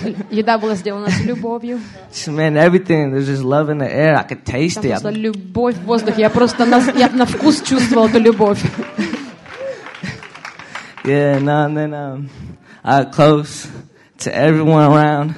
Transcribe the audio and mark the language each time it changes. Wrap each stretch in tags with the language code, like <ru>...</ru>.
<ru>Еда была сделана с любовью.</ru> <en>Man, everything, there's just love in the air. I could taste it.</en> <ru>Просто любовь в воздухе. Я просто на вкус чувствовал эту любовь.</ru> <en>Yeah, and then I close to everyone around.</en>